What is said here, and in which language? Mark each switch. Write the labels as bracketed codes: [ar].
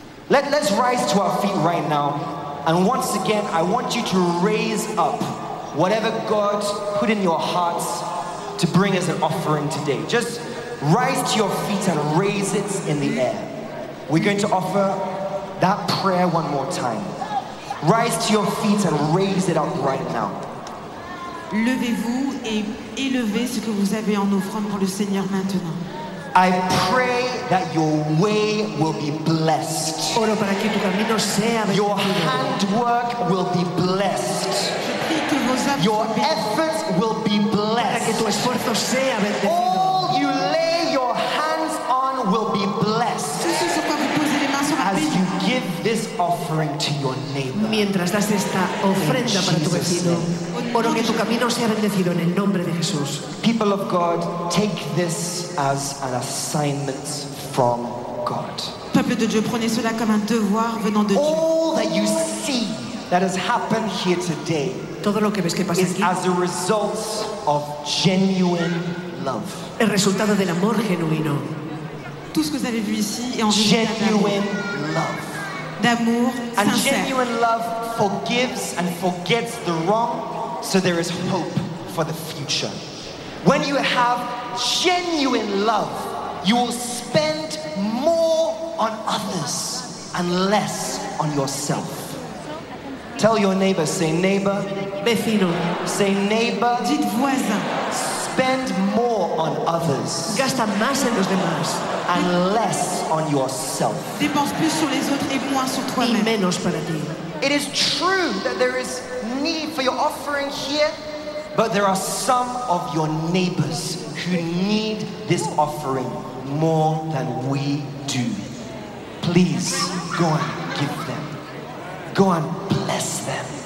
[en] Let's rise to our feet right now. And once again, I want you to raise up whatever God put in your hearts to bring as an offering today. Just rise to your feet and raise it in the air. We're going to offer that prayer one more time. Rise to your feet and raise it up right now. [fr] Levez-vous et élevez ce que vous avez en offrande pour le Seigneur maintenant. [en] I pray that your way will be blessed. [es] Oro para que tu camino sea bendito. [en] Your handwork will be blessed. [fr] Je prie que vos œuvres. [en] Your efforts will be blessed. [es] Para que tu esfuerzo sea bendito. [en] All you lay your hands on will be blessed. [fr] Tout ce que vous posez les mains sur [en] as you give this offering to your neighbor. [es] Mientras das esta ofrenda para tu vecino. Oro que tu camino sea bendecido en el nombre de Jesús. [en] People of God, take this as an assignment from God. [fr] Peuple de Dieu, prenez cela comme un devoir venant de Dieu. [en] All that you see that has happened here today, [es] todo lo que ves que pasa aquí, [en] as a result of genuine love. [es] El resultado del amor genuino. [fr] Tout ce que vous avez vu ici est en [en] genuine love. [fr] D'amour [en] and [fr] sincère. [en] And genuine love forgives and forgets the wrong. So there is hope for the future. When you have genuine love, you will spend more on others and less on yourself. Tell your neighbor, say neighbor. [es] Vecino. [en] Say neighbor. [fr] Dites voisin. [en] Spend more on others. [es] Gasta más en los demás. [en] And less on yourself. [fr] Dépense plus sur les autres et moins sur toi-même. [es] Y menos para ti. [en] It is true that there is need for your offering here, but there are some of your neighbors who need this offering more than we do. Please go and give them. Go and bless them.